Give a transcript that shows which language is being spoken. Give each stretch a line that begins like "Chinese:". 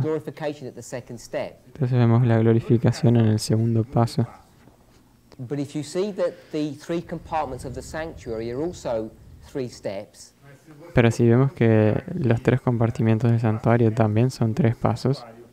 Spanish: Entonces vemos la glorificación en el segundo paso.
English: But if you see that the three compartments of the sanctuary are also three steps.
Spanish: Pero si vemos que los tres compartimientos del santuario también son tres pasos.